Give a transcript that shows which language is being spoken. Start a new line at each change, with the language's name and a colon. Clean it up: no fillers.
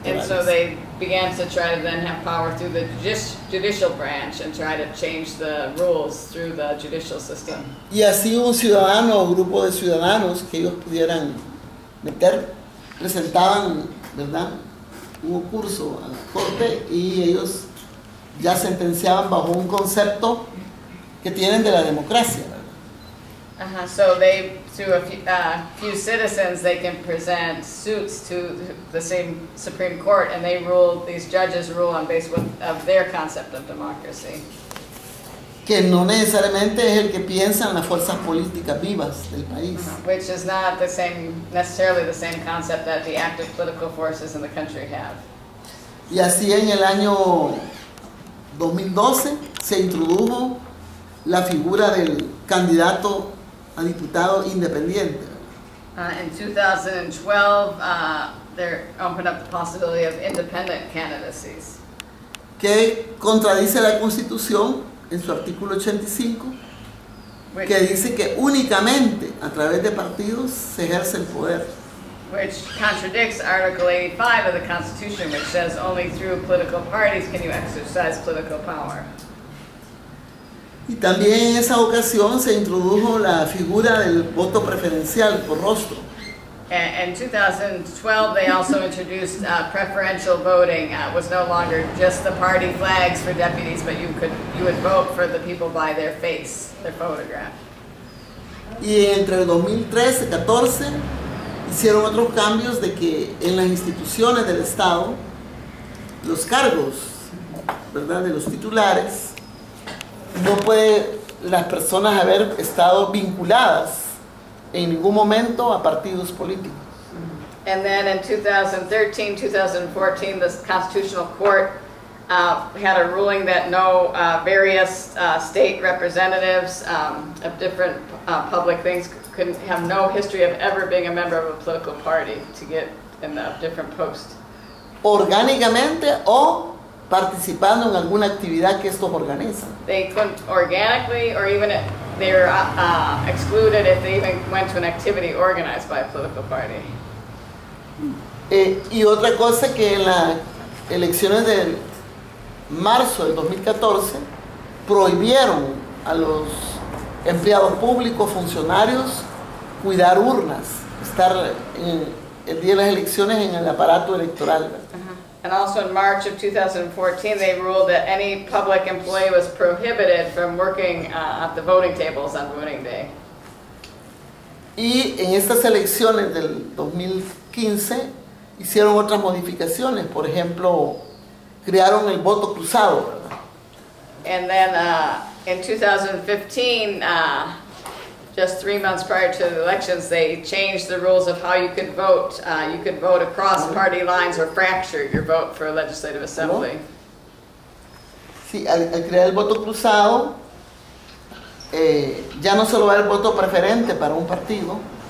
English: And so they began to try to then have power through the judicial branch and try to change the rules through the judicial system.
Spanish: Y así un ciudadano o grupo de ciudadanos que ellos pudieran meter, presentaban, ¿verdad?, un curso a la corte y ellos ya sentenciaban bajo un concepto que tienen de la democracia, ¿verdad?
English: So they, through a few citizens, they can present suits to the same Supreme Court, and they rule, these judges rule on base of their concept of democracy.
Spanish: Que no necesariamente es el que piensan las fuerzas políticas vivas del país.
English: Which is not the same, necessarily the same concept that the active political forces in the country have.
Spanish: Y así en el año 2012 se introdujo la figura del candidato a diputado independiente.
English: In 2012, they opened up the possibility of independent candidacies.
Spanish: Que contradice la Constitución en su artículo 85, que dice que únicamente a través de partidos se ejerce el poder.
English: Which contradicts Article 85 of the Constitution, which says only through political parties can you exercise political power.
Spanish: Y también en esa ocasión se introdujo la figura del voto preferencial por rostro.
English: In 2012, they also introduced preferential voting. It was no longer just the party flags for deputies, but you would vote for the people by their face, their photograph.
Spanish: Y entre 2013-14 hicieron otros cambios de que en las instituciones del Estado, los cargos, ¿verdad?, de los titulares, no puede las personas haber estado vinculadas en ningún momento a partidos políticos.
English: And then in 2013-2014, the Constitutional Court had a ruling that no various state representatives of different public things could have no history of ever being a member of a political party to get in a different post.
Spanish: Orgánicamente o participando en alguna actividad que estos organizan.
English: They couldn't organically or even they were excluded if they even went to an activity organized by a political party.
Spanish: Y otra cosa que en las elecciones de marzo del 2014 prohibieron a los empleados públicos, funcionarios, cuidar urnas, estar en el día de las elecciones en el aparato electoral.
English: And also in March of 2014, they ruled that any public employee was prohibited from working at the voting tables on voting day.
Spanish: Y en estas elecciones del 2015, 15 hicieron otras modificaciones, por ejemplo, crearon el voto cruzado, ¿verdad?
English: And then in 2015, just 3 months prior to the elections, they changed the rules of how you could vote. You could vote across party lines or fracture your vote for a legislative assembly.
Spanish: Sí, al crear el voto cruzado, ya no solo era el voto preferente para un partido.